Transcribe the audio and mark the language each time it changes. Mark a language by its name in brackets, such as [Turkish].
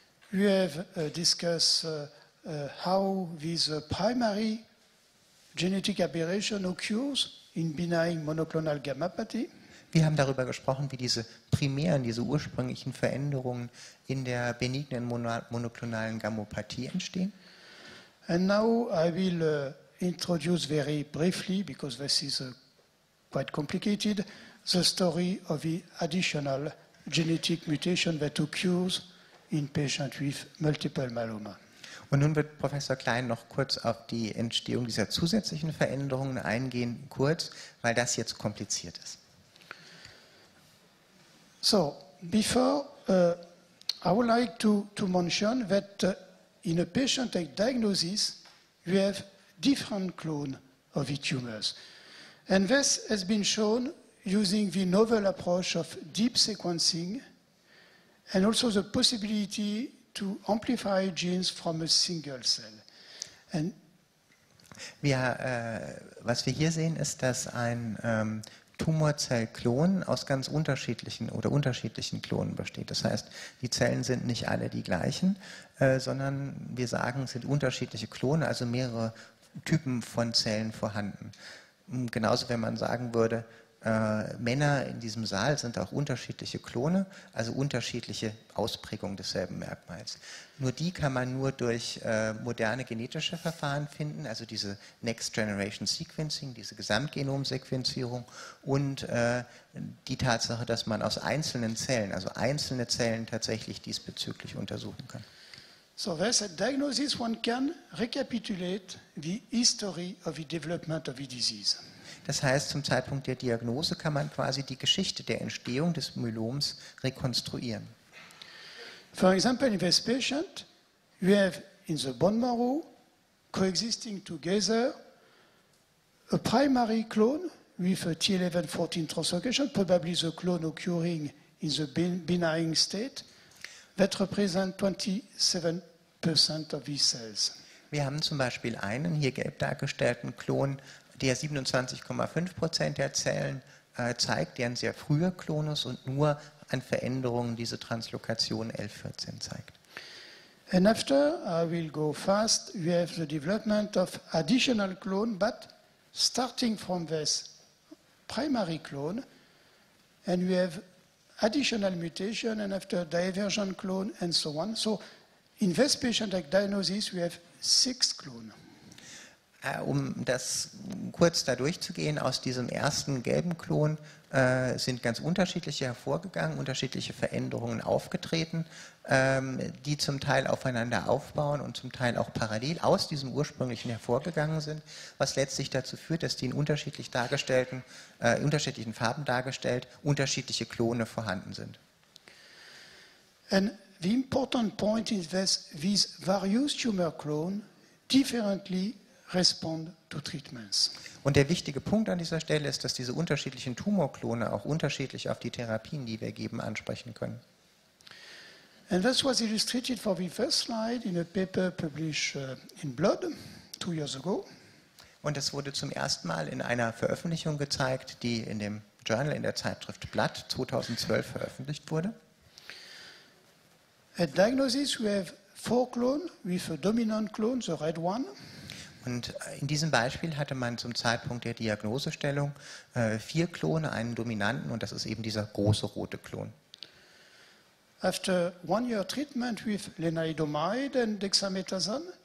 [English] We have discussed how these primary genetic aberration occurs in benign monoclonal gammopathy. [German] Wir haben darüber gesprochen, wie diese primären, diese ursprünglichen Veränderungen in der benignen monoklonalen Gammopathie entstehen. [English] And now I will introduce very briefly, because this is quite complicated, the story of the additional genetic mutation that occurs in patients with multiple myeloma. [German] Und nun wird Professor Klein noch kurz auf die Entstehung dieser zusätzlichen Veränderungen eingehen, kurz, weil das jetzt kompliziert ist. [English] So, before I would like to mention that in a patient diagnosis, you have different clone of the tumors. And this has been shown using the novel approach of deep sequencing and also the possibility to amplify genes from a single cell. And [German] was wir hier sehen, ist, dass ein Tumorzellklon aus ganz unterschiedlichen Klonen besteht. Das heißt, die Zellen sind nicht alle die gleichen, sondern wir sagen, es sind unterschiedliche Klone, also mehrere Typen von Zellen vorhanden. Genauso, wenn man sagen würde, Männer in diesem Saal sind auch unterschiedliche Klone, also unterschiedliche Ausprägungen desselben Merkmals. Nur die kann man nur durch moderne genetische Verfahren finden, also diese Next Generation Sequencing, diese Gesamtgenomsequenzierung und die Tatsache, dass man aus einzelnen Zellen, also einzelne Zellen tatsächlich diesbezüglich untersuchen kann. [English] So there's a diagnosis one can recapitulate the history of the development of the disease. [German] Das heißt, zum Zeitpunkt der Diagnose kann man quasi die Geschichte der Entstehung des Myeloms rekonstruieren. [English] For example, in this patient, you have in the bone marrow coexisting together a primary clone with a T1114 translocation, probably the clone occurring in the benign state, that represents 27% of these cells. [German] Wir haben zum Beispiel einen hier gelb dargestellten Klon, der 27,5% der Zellen zeigt, der ein sehr früher Klonus und nur an Veränderungen diese Translokation L14 zeigt. [English] And after, I will go fast, we have the development of additional clone, but starting from this primary clone, and we have additional mutation, and after divergent clone, and so on. So, in this patient like diagnosis, we have 6 clones. [German] Um das kurz da durchzugehen, aus diesem ersten gelben Klon sind ganz unterschiedliche hervorgegangen, unterschiedliche Veränderungen aufgetreten, die zum Teil aufeinander aufbauen und zum Teil auch parallel aus diesem ursprünglichen hervorgegangen sind, was letztlich dazu führt, dass die in unterschiedlich dargestellten, unterschiedlichen Farben dargestellt, unterschiedliche Klone vorhanden sind. [English] And the important point is that these various tumor clones differently respond to treatments. [German] Und der wichtige Punkt an dieser Stelle ist, dass diese unterschiedlichen Tumorklone auch unterschiedlich auf die Therapien, die wir geben, ansprechen können. [English] And this was illustrated for the first slide in a paper published in Blood 2 years ago. [German] Und das wurde zum ersten Mal in einer Veröffentlichung gezeigt, die in dem Journal, in der Zeitschrift Blood 2012 veröffentlicht wurde. [English] At diagnosis we have 4 clones with a dominant clone, the red one. [German] Und in diesem Beispiel hatte man zum Zeitpunkt der Diagnosestellung 4 Klone, einen dominanten, und das ist eben dieser große rote Klon. [English] After 1 year treatment with lenalidomide and dexamethasone.